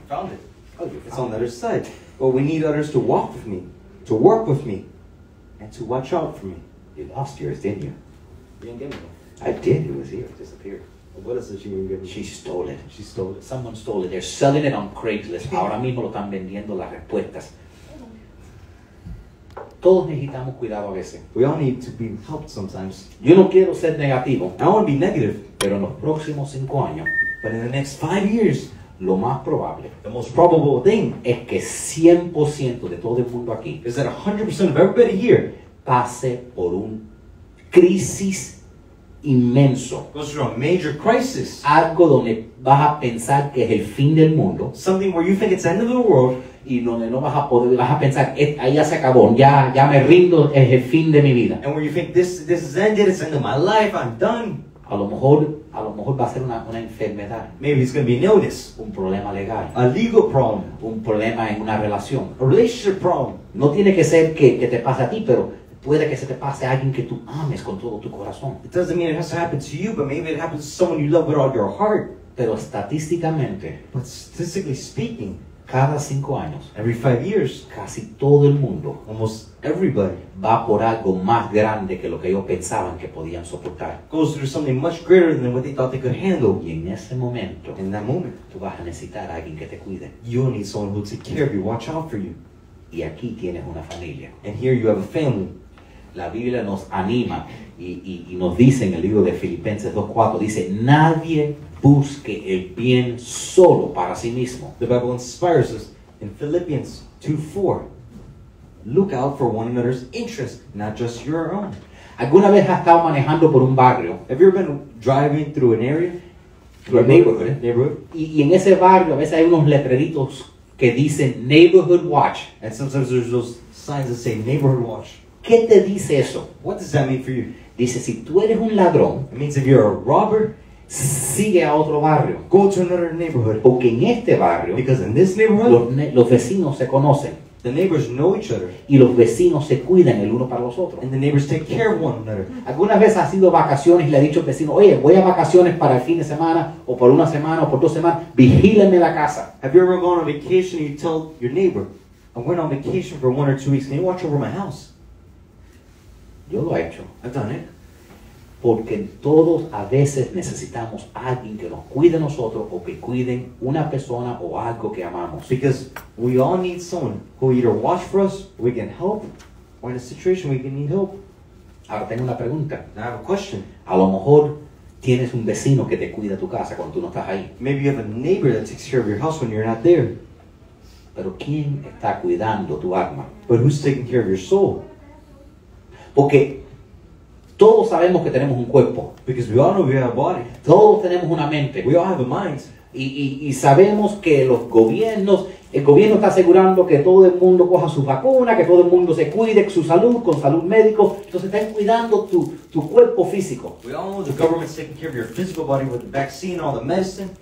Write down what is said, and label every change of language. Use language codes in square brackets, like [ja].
[en] Found it. Oh, you found it's on the other side. But we need others to walk with me, to work with me, and to watch out for me. You lost yours, didn't you? You didn't give it. I did. It was here. It disappeared. What is it you didn't give me? She stole it. She stole it. Someone stole it. They're selling it on Craigslist. [es] Ahora mismo lo están vendiendo las respuestas. Todos necesitamos cuidado a veces. [en] We all need to be helped sometimes. [es] Yo no quiero ser negativo. [en] I don't want to be negative. [es] Pero en los próximos 5 años. [en] But in the next 5 years. [es] Lo más probable. [en] The most probable thing. [es] Es que 100% de todo el mundo aquí. [en] Is that 100% of everybody here. [es] Pase por un crisis inmenso. [en] Goes through a major crisis. [es] Algo donde vas a pensar que es el fin del mundo. [en] Something where you think it's the end of the world. [es] Y donde no vas a poder, vas a pensar, ahí ya se acabó, ya me rindo, es el fin de mi vida. [en] And where you think this is ended, it's the end of my life, I'm done. [es] A lo mejor va a ser una enfermedad. [en] Maybe it's going to be an illness. [es] Un problema legal. [en] A legal problem. [es] Un problema en una relación. [en] A relationship problem. [es] No tiene que ser que te pase a ti, pero puede que se te pase a alguien que tú ames con todo tu corazón. [en] It doesn't mean it has to happen to you, but maybe it happens to someone you love with all your heart. [es] Pero estadísticamente. [en] But statistically speaking. [es] Cada 5 años. [en] Every 5 years. [es] Casi todo el mundo. [en] Almost everybody. [es] Va por algo más grande que lo que ellos pensaban que podían soportar. [en] Goes through something much greater than what they thought they could handle. [es] Y en ese momento. [en] In that moment. [es] Tú vas a necesitar a alguien que te cuide. [en] You need someone who take care of you. Watch out for you. [es] Y aquí tienes una familia. [en] And here you have a family. [es] La Biblia nos anima y nos dice en el libro de Filipenses 2:4, dice, nadie busque el bien solo para sí mismo. [en] The Bible inspires us in Philippians 2:4. Look out for one another's interest, not just your own. [es] ¿Alguna vez has estado manejando por un barrio? [en] Have you ever been driving through an area? Through a neighborhood. Neighborhood. [es] Y en ese barrio a veces hay unos letreritos que dicen Neighborhood Watch. [en] And sometimes there's those signs that say Neighborhood Watch. [es] ¿Qué te dice eso? [en] What does that mean for you? [es] Dice, si tú eres un ladrón, [en] it means if you're a robber, [es] sigue a otro barrio. [en] Go to another neighborhood. [es] Porque en este barrio, [en] because in this neighborhood, [es] los vecinos se conocen. [en] The neighbors know each other. [es] Y los vecinos se cuidan el uno para los otros. [en] And the neighbors take care of one another. [es] ¿Alguna vez has ido a vacaciones y le has dicho al vecino, oye, voy a vacaciones para el fin de semana, o por una semana, o por 2 semanas, vigílenme la casa? [en] Have you ever gone on vacation and you tell your neighbor, I went on vacation for 1 or 2 weeks, can you watch over my house? [es] Yo lo he hecho. [en] I've done it. [es] Porque todos a veces necesitamos alguien que nos cuide a nosotros o que cuiden una persona o algo que amamos. [en] Because we all need someone who either watch for us, we can help, or in a situation we can need help. [es] Ahora tengo una pregunta. [en] Now I have a question. [es] A lo mejor tienes un vecino que te cuida tu casa cuando tú no estás ahí. [en] Maybe you have a neighbor that takes care of your house when you're not there. [es] Pero ¿quién está cuidando tu alma? [en] But who's taking care of your soul? [es] Porque todos sabemos que tenemos un cuerpo. [en] Because we all know we have a body. [es] Todos tenemos una mente. [en] We all have a mind. [es] Y sabemos que los gobiernos, el gobierno está asegurando que todo el mundo coja su vacuna, que todo el mundo se cuide su salud, con salud médico. Entonces están cuidando tu cuerpo físico. [en] We all know the government's taking care of your physical body with the vaccine, all the medicine.